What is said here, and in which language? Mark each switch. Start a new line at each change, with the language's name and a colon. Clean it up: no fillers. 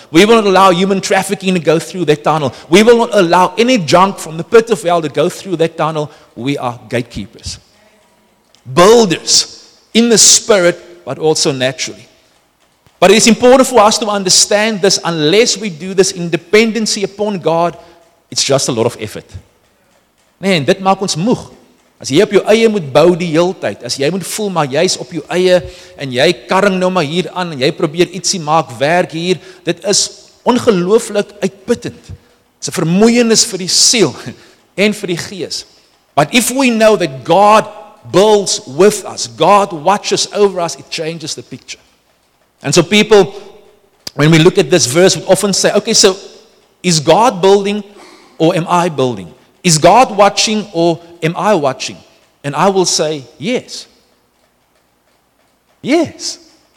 English: We will not allow human trafficking to go through that tunnel. We will not allow any junk from the pit of hell to go through that tunnel. We are gatekeepers, builders in the spirit, but also naturally. But it is important for us to understand this. Unless we do this in dependency upon God, it's just a lot of effort.
Afrikaans: Man, dit maak ons moeg. As jy op jou eie moet bou die hele tyd, as jy moet voel maar jy is op jou eie en jy karring nou maar hier aan en jy probeer ietsie maak werk hier, dit is ongelooflik uitputtend.
English: It's a
Afrikaans: vermoeienis vir die siel en vir die gees.
English: But if we know that God builds with us, God watches over us, it changes the picture. And so people, when we look at this verse, we often say, okay, so is God building or am I building? Is God watching or am I watching? And I will say, yes. Yes.